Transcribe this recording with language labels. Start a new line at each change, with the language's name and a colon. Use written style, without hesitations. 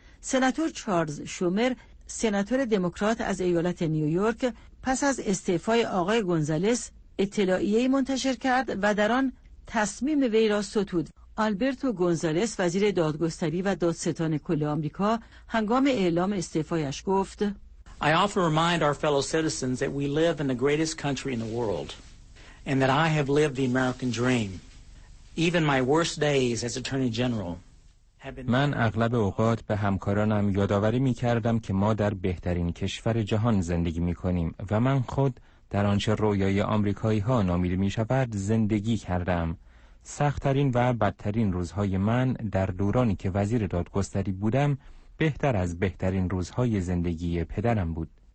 Persian: سناتور چارلز شومر، سناتور دموکرات از ایالت نیویورک، پس از استعفای آقای گونزالس اطلاعیه‌ای منتشر کرد و در آن تصمیم وی را ستود. آلبرتو گونزالس وزیر دادگستری و دادستان کل آمریکا هنگام اعلام استعفایش گفت:
English: I often remind our fellow citizens that we live in the greatest country in the world and that I have lived the American dream. Even my worst days as attorney general
Persian: من اغلب اوقات به همکارانم یادآوری می کردم که ما در بهترین کشور جهان زندگی می کنیم و من خود در آنچه رویای آمریکایی ها نامیده می شود زندگی کردم. سخت‌ترین و بدترین روزهای من در دورانی که وزیر دادگستری بودم بهتر از بهترین روزهای زندگی پدرم بود.